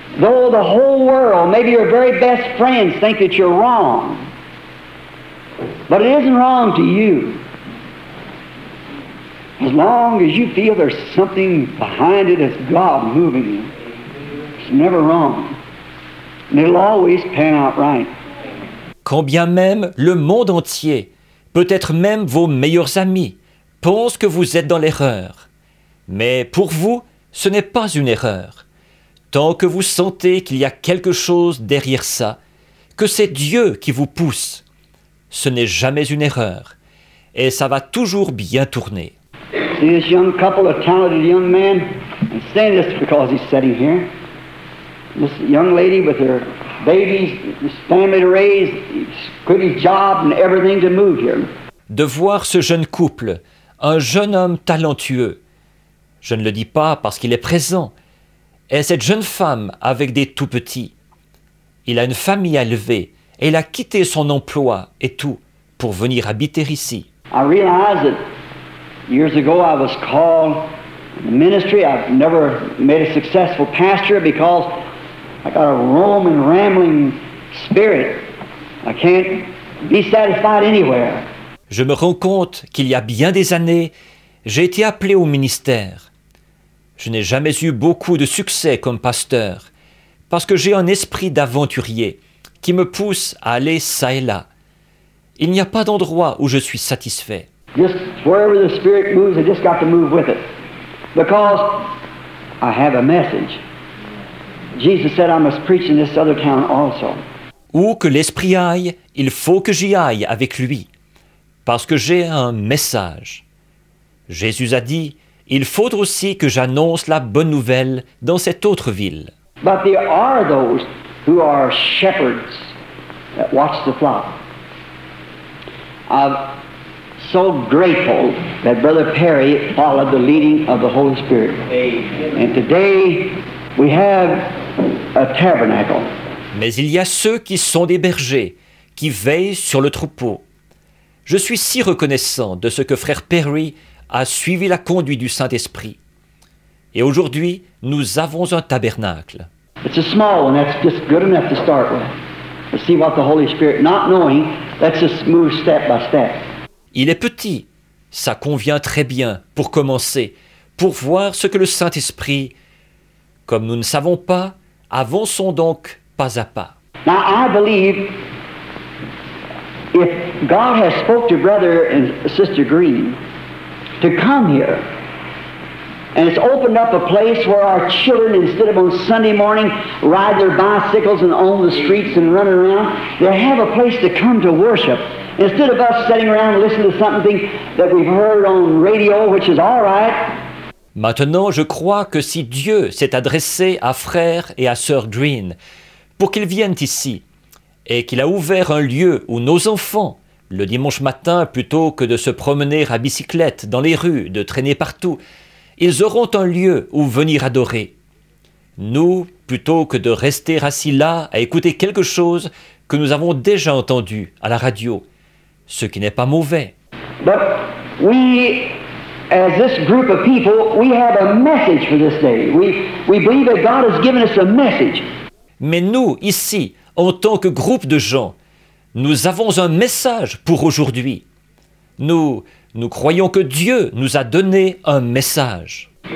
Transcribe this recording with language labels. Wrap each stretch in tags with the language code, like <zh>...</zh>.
<en>Though the whole world, maybe your very best friends, think that you're wrong, but it isn't wrong to you. As long as you feel there's something behind it, it's God moving you. It's never wrong. And it'll always pan out right.</en> <fr>Quand bien même le monde entier, peut-être même vos meilleurs amis, pense que vous êtes dans l'erreur. Mais pour vous, ce n'est pas une erreur. Tant que vous sentez qu'il y a quelque chose derrière ça, que c'est Dieu qui vous pousse, ce n'est jamais une erreur. Et ça va toujours bien tourner.</fr> <en>See this young couple of talented young men, and say this because he's sitting here. This young lady with her babies, this family to raise, quit his job and everything to move here.</en> <fr>De voir ce jeune couple, un jeune homme talentueux. Je ne le dis pas parce qu'il est présent. Et cette jeune femme avec des tout-petits. Il a une famille à élever et il a quitté son emploi et tout pour venir habiter ici.</fr> <en>I realize that years ago I was called in the ministry. I've never made a successful pastor because I got a roaming, rambling spirit. I can't be satisfied anywhere.</en> <fr>Je me rends compte qu'il y a bien des années, j'ai été appelé au ministère. Je n'ai jamais eu beaucoup de succès comme pasteur, parce que j'ai un esprit d'aventurier qui me pousse à aller ça et là. Il n'y a pas d'endroit où je suis satisfait.</fr> <en>Just wherever the Spirit moves, I just got to move with it. Because I have a message. Jesus said I must preach in this other town also.</en> <fr>Où que l'Esprit aille, il faut que j'y aille avec lui. Parce que j'ai un message. Jésus a dit, il faut aussi que j'annonce la bonne nouvelle dans cette autre ville.</fr> <en>But there are those who are shepherds that watch the flock. I'm so grateful that Brother Perry followed the leading of the Holy Spirit. Amen. And today we have a tabernacle.</en> <fr>Mais il y a ceux qui sont des bergers, qui veillent sur le troupeau. Je suis si reconnaissant de ce que Frère Perry a suivi la conduite du Saint-Esprit. Et aujourd'hui, nous avons un tabernacle.</fr> <en>It's a small one, that's just good enough to start with. To see what the Holy Spirit, not knowing, that's just move step by step.</en> <fr>Il est petit, ça convient très bien pour commencer, pour voir ce que le Saint-Esprit, comme nous ne savons pas, avançons donc pas à pas.</fr> <en>Now I believe if God has spoke to Brother and Sister Green to come here, and it's opened up a place where our children, instead of on Sunday morning, ride their bicycles and on the streets and run around, they have a place to come to worship. Instead of us sitting around listening to something that we've heard on radio, which is all right.</en> <fr>Maintenant, je crois que si Dieu s'est adressé à Frère et à Sœur Green pour qu'ils viennent ici, et qu'il a ouvert un lieu où nos enfants, le dimanche matin plutôt que de se promener à bicyclette dans les rues, de traîner partout. Ils auront un lieu où venir adorer. Nous, plutôt que de rester assis là à écouter quelque chose que nous avons déjà entendu à la radio, ce qui n'est pas mauvais.</fr> <en>But we, as this group of people, we have a message for this day. We believe that God has given us a message.</en> <fr>Mais nous, ici, en tant que groupe de gens, nous avons un message pour aujourd'hui. Nous croyons que Dieu nous a donné un message.</fr>